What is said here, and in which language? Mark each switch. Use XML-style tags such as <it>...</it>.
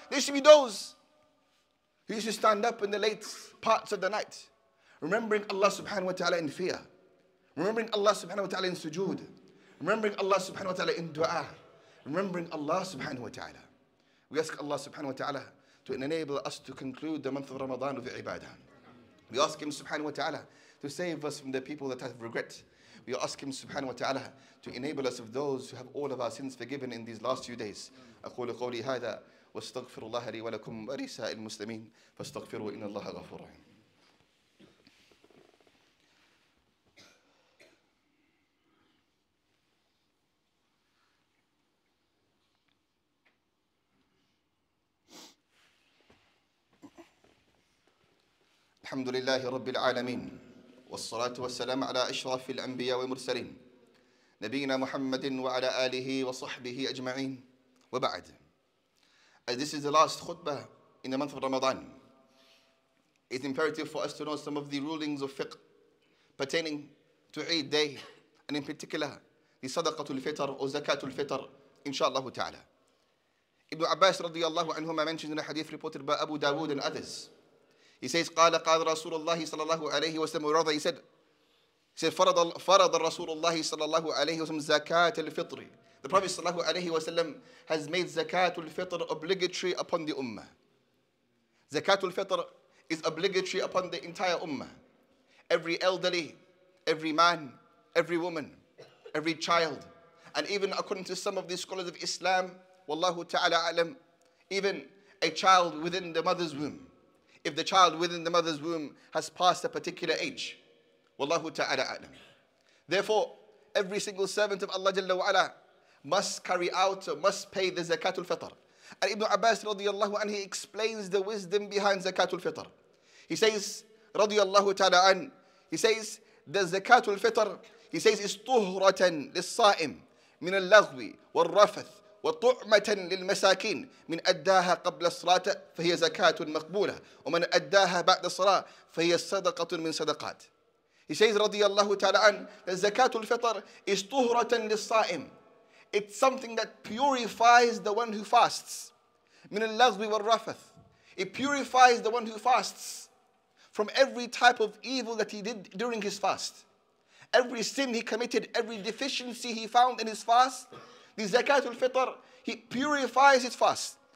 <en>They should be those who used to stand up in the late parts of the night, remembering Allah subhanahu wa ta'ala in fear, remembering Allah subhanahu wa ta'ala in sujood, remembering Allah subhanahu wa ta'ala in dua, remembering Allah subhanahu wa ta'ala. We ask Allah subhanahu wa ta'ala to enable us to conclude the month of Ramadan with ibadah. We ask Him subhanahu wa ta'ala to save us from the people that have regret. We ask Him subhanahu wa ta'ala to enable us of those who have all of our sins forgiven in these last few days.</en> <ar>أقول قولي هذا واستغفر الله لي ولكم ولسائر المسلمين فاستغفروا إن الله غفور رحيم. الحمد لله رب العالمين والصلاة والسلام على أشرف الأنبياء والمرسلين نبينا محمد وعلى آله وصحبه أجمعين وبعد.</ar> <en>This is the last khutbah in the month of Ramadan. It's imperative for us to know some of the rulings of fiqh, pertaining to Eid day, and in particular, the Sadaqatul Fitr or Zakatul Fitr, inshaAllah ta'ala. Ibn Abbas radiallahu anhuma mentions in a hadith reported by Abu Dawood and others. He says,</en> <ar>قَالَ قَالَ رَسُولُ اللَّهِ صَلَى اللَّهُ عَلَيْهِ وَسَلَّمُ رَضَى</ar> <en>He said,</en> <ar>فَرَضَ رَسُولُ اللَّهِ صَلَى اللَّهُ عَلَيْهِ وَسَلَّمُ زَكَاةَ الْفِطْرِ</ar> <en>The Prophet صلى الله عليه وسلم has made Zakatul Fitr obligatory upon the Ummah. Zakatul Fitr is obligatory upon the entire Ummah. Every elderly, every man, every woman, every child, and even according to some of the scholars of Islam, Wallahu ta'ala alam, even a child within the mother's womb. If the child within the mother's womb has passed a particular age, Wallahu ta'ala alam. Therefore, every single servant of Allah Jalla wa'ala must carry out, must pay the Zakatul Fitr. And Ibn Abbas radiallahu anhu, he explains the wisdom behind Zakatul Fitr. He says, radiallahu ta'ala an, he says, the Zakatul Fitr, he says, is</en> <ar>tuhratan lissa'im min al-laghwi wal-rafath وطعمة للمساكين من أداها قبل الصلاة فهي زكاة مقبولة ومن أداها بعد الصلاة فهي صدقة من صدقات.</ar> <en>He says</en> <ar>رضي الله تعالى عن زكاة الفطر is طهرة للصائم.</ar> <en>It's something that purifies the one who fasts</en> <ar>من اللغو والرفث.</ar> <en>It purifies the one who fasts from every type of evil that he did during his fast. Every sin he committed, every deficiency he found in his fast, the Zakatul Fitr, he purifies his fast.</en>